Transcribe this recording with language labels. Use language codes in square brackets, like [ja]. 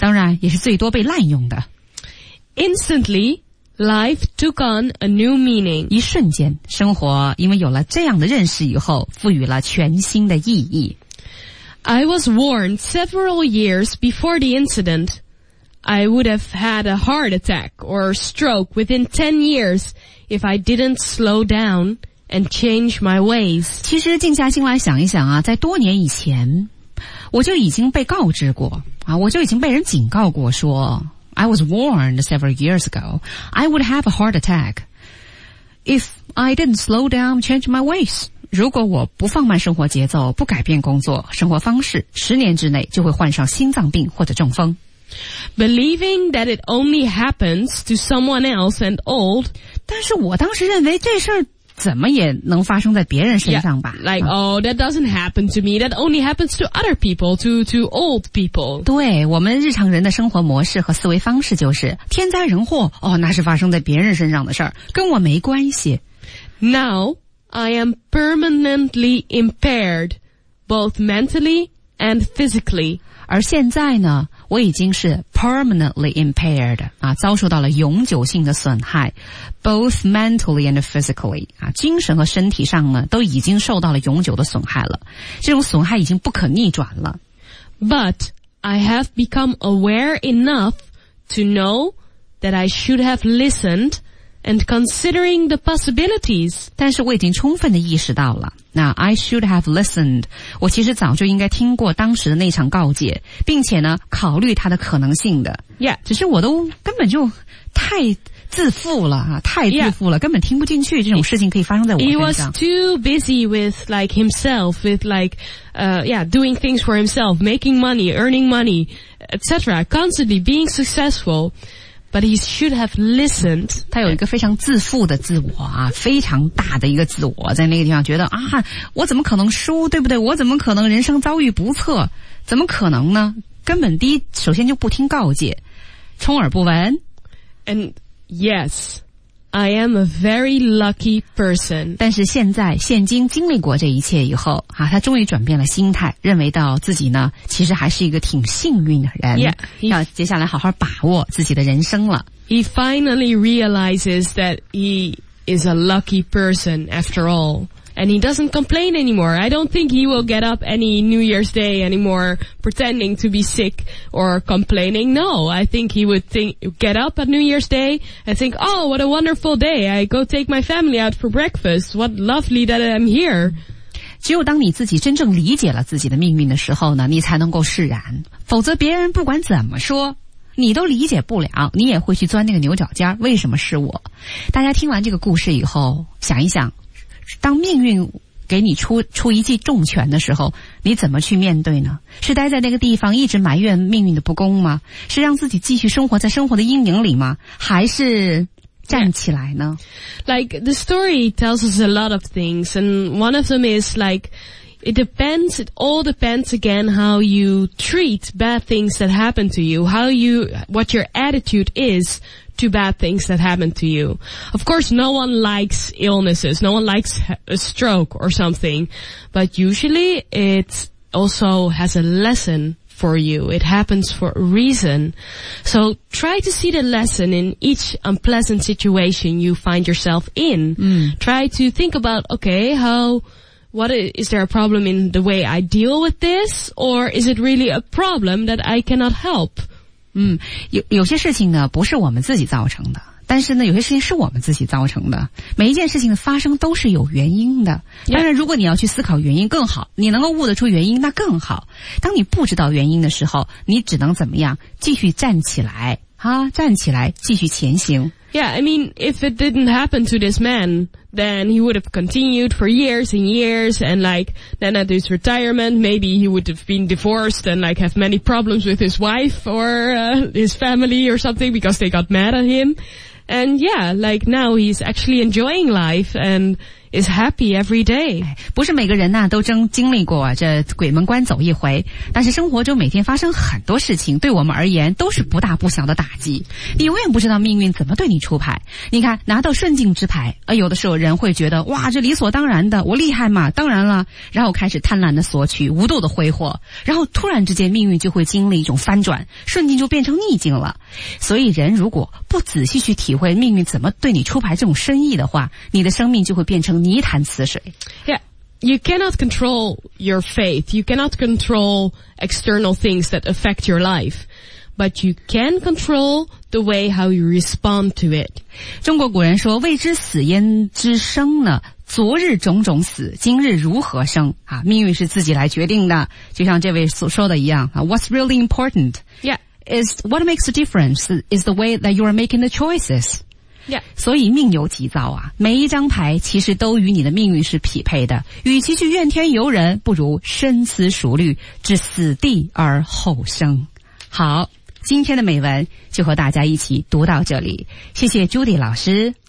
[zh] 当然也是最多被滥用的。 [en] Instantly。 Life took on a new meaning. [zh] 一瞬间，生活因为有了这样的认识以后，赋予了全新的意义。 [en] I was warned several years before the incident. I would have had a heart attack or stroke within 10 years if I didn't slow down and change my ways. [zh] 其实静下心来想一想啊，在多年以前我就已经被告知过啊，我就已经被人警告过说 [en] I was warned several years ago I would have a heart attack if I didn't slow down and change my ways。 [zh] 如果我不放慢生活节奏，不改变工作生活方式，十年之内就会患上心脏病或者中风。 [en] Believing that it only happens to someone else and old, [zh] 但是我当时认为这事儿怎么也能发生在别人身上吧。 [en] Yeah, like, oh, that doesn't happen to me, that only happens to other people, to old people. [zh] 对，我们日常人的生活模式和思维方式就是天灾人祸，哦，那是发生在别人身上的事儿，跟我没关系。 [en] Now, I am permanently impaired, both mentally and physically. [zh] 而现在呢，我已经是 [en] permanently impaired, [zh] 啊，遭受到了永久性的损害 [en] both mentally and physically, [zh] 啊，精神和身体上呢都已经受到了永久的损害了，这种损害已经不可逆转了。 [en] But I have become aware enough to know that I should have listened and considering the possibilities. [zh] 但是我已经充分地意识到了 [en] Now, I should have listened. [zh] 我其实早就应该听过当时的那场告诫，并且呢，考虑它的可能性的。 [en] Yeah. [zh] 只是我都根本就太自负了，太自负了， [en] yeah. [zh] 根本听不进去这种事情可以发生在我身上。 [en] He was too busy with like himself, with like, doing things for himself, making money, earning money, etc. Constantly being successful. But he should have listened. [zh] 他有一个非常自负的自我啊，非常大的一个自我，在那个地方觉得啊，我怎么可能输，对不对？我怎么可能人生遭遇不测？怎么可能呢？根本第一，首先就不听告诫，充耳不闻。 [en] And yes, I am a very lucky person. [zh] 但是现在，现今经历过这一切以后啊，他终于转变了心态，认为到自己呢，其实还是一个挺幸运的人。 [en] Yeah. [zh] 要接下来好好把握自己的人生了。 [en] He finally realizes that he is a lucky person after all. And he doesn't complain anymore. I don't think he will get up any New Year's Day anymore pretending to be sick or complaining. No, I think he would get up at New Year's Day and think, oh, what a wonderful day. I go take my family out for breakfast. What lovely that I'm here. [zh] 只有当你自己真正理解了自己的命运的时候呢，你才能够释然。否则别人不管怎么说，你都理解不了，你也会去钻那个牛角尖，为什么是我？大家听完这个故事以后，想一想，当命运给你出一记重拳的时候，你怎么去面对呢？是待在那个地方一直埋怨命运的不公吗？是让自己继续生活在生活的阴影里吗？还是站起来呢？ [en] Like, the story tells us a lot of things, and one of them is like, it all depends again how you treat bad things that happen to you, what your attitude is,to bad things that happen to you. Of course, no one likes illnesses. No one likes a stroke or something. But usually, it also has a lesson for you. It happens for a reason. So try to see the lesson in each unpleasant situation you find yourself in. Try to think about, okay, is there a problem in the way I deal with this? Or is it really a problem that I cannot help? [zh] 有些事情呢不是我们自己造成的，但是呢有些事情是我们自己造成的，每一件事情的发生都是有原因的。当然如果你要去思考原因更好，你能够悟得出原因那更好。当你不知道原因的时候，你只能怎么样，继续站起来啊，站起来继续前行。 [en] Yeah, I mean, if it didn't happen to this man, then he would have continued for years and years, and like, then at his retirement, maybe he would have been divorced and like have many problems with his wife or, his family or something because they got mad at him. And yeah, like now he's actually enjoying life and is happy every day. [zh] 不是每个人呢都经历过这鬼门关走一回，但是生活中每天发生很多事情，对我们而言都是不大不小的打击。你永远不知道命运怎么对你出牌。你看，拿到顺境之牌，有的时候人会觉得，哇，这理所当然的，我厉害嘛，当然了，然后开始贪婪的索取，无度的挥霍，然后突然之间命运就会经历一种翻转，顺境就变成逆境了。所以人如果不仔细去体会命运怎么对你出牌这种深意的话，你的生命就会变成泥潭死水。 [en] Yeah, you cannot control your faith. You cannot control external things that affect your life. But you can control the way how you respond to it. [zh] 中国古人说，未知死焉知生呢？昨日种种死，今日如何生？啊，命运是自己来决定的。就像这位所说的一样，啊， [en] What's really important? Yeah. Is what makes a difference is the way that you are making the choices. Yeah. [zh] 所以命由己造啊，每一张牌其实都与你的命运是匹配的。与其去怨天尤人，不如深思熟虑，置死地而后生。好，今天的美文就和大家一起读到这里。谢谢 Judy 老师。